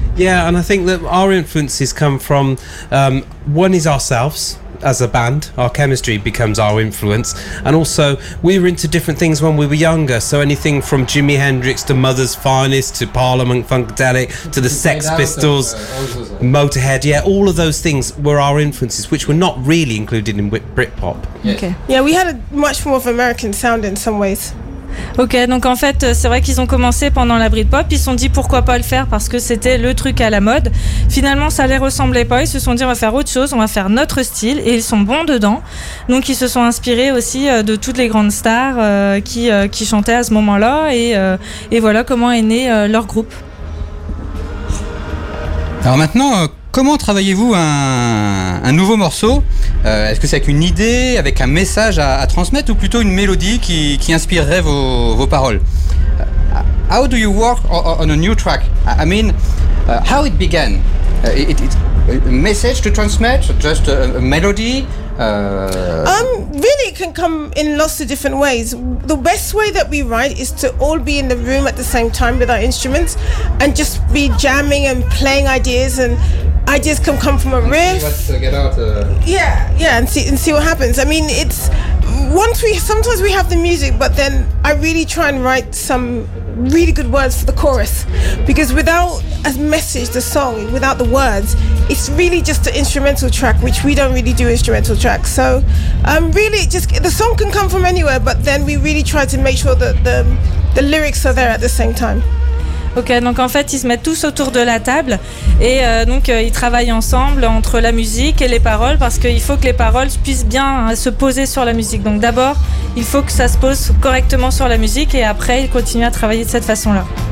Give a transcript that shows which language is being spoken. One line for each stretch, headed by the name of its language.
English: Yeah, and I think that our influences come from, one is ourselves as a band, our chemistry becomes our influence, and also we were into different things when we were younger, so anything from Jimi Hendrix to Mother's Finest to Parliament Funkadelic to the Sex Pistols, Motorhead, yeah, all of those things were our influences, which were not really included in Britpop. Okay. Yeah, we had a much more of American sound in some ways.
French: Ok, donc en fait c'est vrai qu'ils ont commencé pendant la Britpop, ils se sont dit pourquoi pas le faire parce que c'était le truc à la mode. Finalement ça les ressemblait pas, ils se sont dit on va faire autre chose, on va faire notre style, et ils sont bons dedans. Donc ils se sont inspirés aussi de toutes les grandes stars qui chantaient à ce moment-là, et voilà comment est né leur groupe. Alors maintenant, comment travaillez-vous un nouveau morceau? Est-ce que c'est avec une idée, avec un message à transmettre, ou plutôt une mélodie qui inspirerait vos paroles?
English: How do you work on a new track? I mean, how it began? It a message to transmit, just a melody? Really, it can come in lots of different ways. The best way that we write is to all be in the room at the same time with our instruments and just be jamming and playing ideas, and ideas can come from a riff. See what, get out, and see what happens. I mean, it's once we sometimes we have the music, but then I really try and write some really good words for the chorus, because without a message, the song, without the words, it's really just an instrumental track, which we don't really do instrumental tracks. So really just the song can come from anywhere, but then we really try to make sure that the lyrics are there at the same time.
French: Ok, donc en fait, ils se mettent tous autour de la table et donc ils travaillent ensemble entre la musique et les paroles parce qu'il faut que les paroles puissent bien se poser sur la musique. Donc d'abord, il faut que ça se pose correctement sur la musique et après, ils continuent à travailler de cette façon-là.